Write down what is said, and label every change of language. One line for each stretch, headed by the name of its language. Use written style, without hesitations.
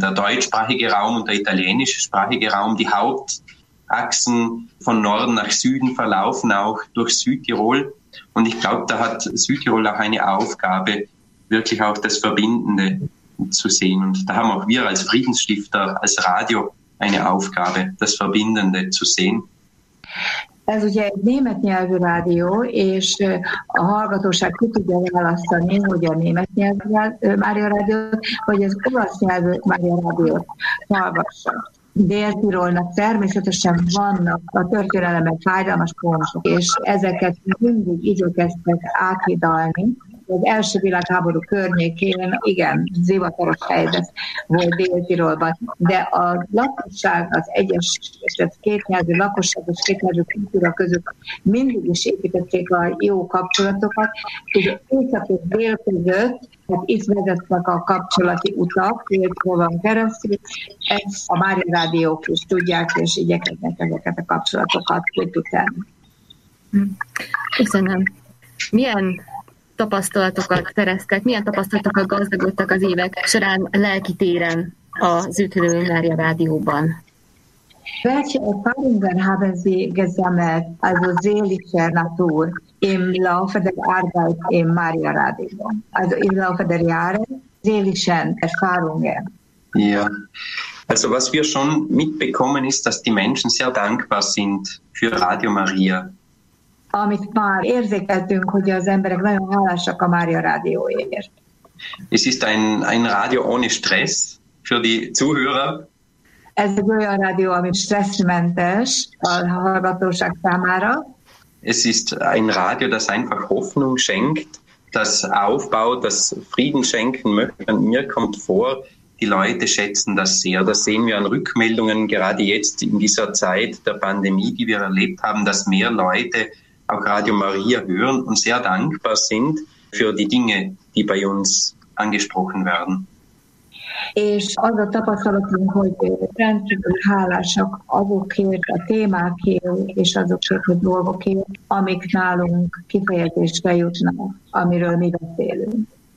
German: Der deutschsprachige Raum und der italienischsprachige Raum, die Hauptachsen von Norden nach Süden verlaufen auch durch Südtirol. Und ich glaube, da hat Südtirol auch eine Aufgabe, wirklich auch das Verbindende zu sehen. Und da haben auch wir als Friedensstifter, als Radio eine Aufgabe, das Verbindende zu sehen.
Hungarian: Ez ugye egy német nyelvű rádió, és a hallgatóság ki tudja választani, hogy a német nyelvű Mária rádiót, vagy az olasz nyelvű Mária rádiót hallgassa. Dél-Tirolnak természetesen vannak a történelemben fájdalmas pontok, és ezeket mindig igyekeztek áthidalni. Az első világháború környékén, igen, zivataros helyzet volt Dél-Tirolban, de a lakosság, az egyes és a kétnyelvű lakosság és kétnyelvű kultúra között mindig is építették a jó kapcsolatokat, és észak és dél között, tehát itt vezetnek a kapcsolati utak, Dél-Tirol van keresztül, ezt a Mária rádiók is tudják, és igyekeznek ezeket a kapcsolatokat építeni. Köszönöm. Milyen tapasztalatokat szereztek, milyen tapasztalatokat gazdagodtak az évek során lelki téren a Südtirol Mária Rádióban?
German: Welche Erfahrungen haben Sie gesammelt, also seelischer Natur, im Laufe der Arbeit im Maria Radio? Also im Laufe der Jahre, seelischen Erfahrungen? Ja, also was wir schon mitbekommen ist, dass die Menschen sehr dankbar sind für Radio Maria.
Hungarian: Amit már érzékeltünk, hogy az emberek nagyon hálásak a Mária Rádióért.
German: Es ist ein Radio ohne Stress für die Zuhörer.
Hungarian: Ez egy olyan rádió, ami stresszmentes a hallgatóság számára.
German: Es ist ein Radio, das einfach Hoffnung schenkt, das aufbaut, das Frieden schenken möchte. Mir kommt vor, die Leute schätzen das sehr. Das sehen wir an Rückmeldungen, gerade jetzt in dieser Zeit der Pandemie, die wir erlebt haben, dass mehr Leute auch Radio Maria hören und sehr dankbar sind für die Dinge, die bei uns angesprochen werden.
Hungarian: És az a tapasztalatunk, hogy rendkívül hálásak azokért, a témákért és azokért, hogy dolgokért, amik nálunk kifejezésre jutnak, amiről mi beszélünk.